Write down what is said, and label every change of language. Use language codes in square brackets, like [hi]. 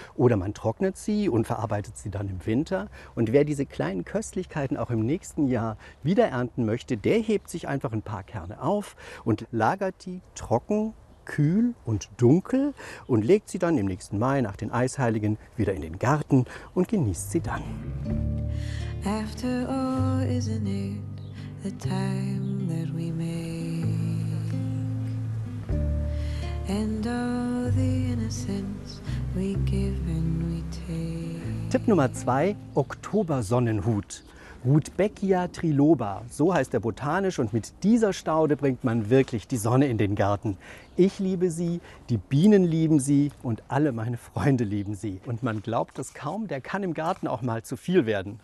[de] Oder man trocknet sie und verarbeitet sie dann im Winter. Und wer diese kleinen Köstlichkeiten auch im nächsten Jahr wieder ernten möchte, der hebt sich einfach ein paar Kerne auf und lagert die trocken, kühl und dunkel und legt sie dann im nächsten Mai nach den Eisheiligen wieder in den Garten und genießt sie dann. [en] After all, isn't it the time that we make and all the innocence we give and we take. [de] Tipp Nummer 2, Oktobersonnenhut. Rudbeckia triloba, so heißt er botanisch und mit dieser Staude bringt man wirklich die Sonne in den Garten. Ich liebe sie, die Bienen lieben sie und alle meine Freunde lieben sie. Und man glaubt es kaum, der kann im Garten auch mal zu viel werden.